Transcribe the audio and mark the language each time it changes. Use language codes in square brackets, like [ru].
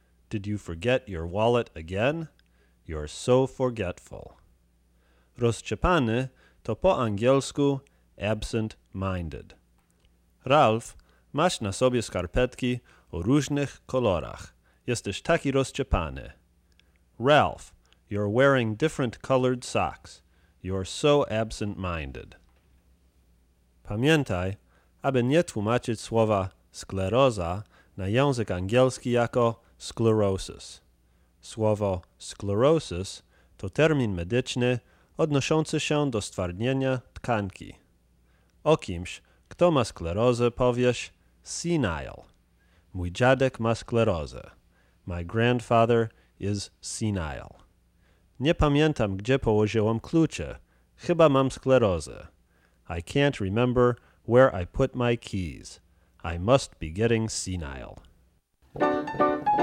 [en] Did you forget your wallet again? You're so forgetful. [pl] Rozczepany to po angielsku [en] absent-minded. [pl] Ralph, masz na sobie skarpetki o różnych kolorach. Jesteś taki rozczepany. [en] Ralph, you're wearing different colored socks. You're so absent-minded. [pl] Pamiętaj, aby nie tłumaczyć słowa skleroza na język angielski jako sclerosis. Słowo sclerosis to termin medyczny odnoszący się do stwardnienia tkanki. O kimś, kto ma sklerozę, powiesz senile. Mój dziadek ma sklerozę. [en] My grandfather is senile. [pl] Nie pamiętam, gdzie położyłem klucze. Chyba mam sklerozę. [en] I can't remember where I put my keys. I must be getting senile.